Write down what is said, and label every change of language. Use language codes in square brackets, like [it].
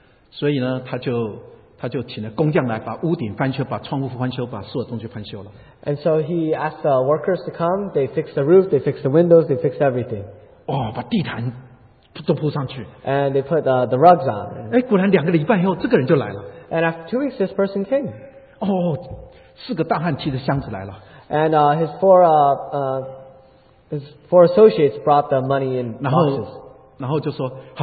[zh] 所以呢, 他就请了工匠来把屋顶翻修，把窗户翻修，把所有东西翻修了。 [en] And so he asked the workers to come. They fixed the roof, they fixed the windows, they fixed everything. [zh] 哦，把地毯都铺上去。 [en] And they put the rugs on. [zh] 哎，果然两个礼拜后，这个人就来了。 [en] And after 2 weeks, this person came. [zh] 哦，四个大汉提着箱子来了。 [en] And his four associates brought the money in boxes.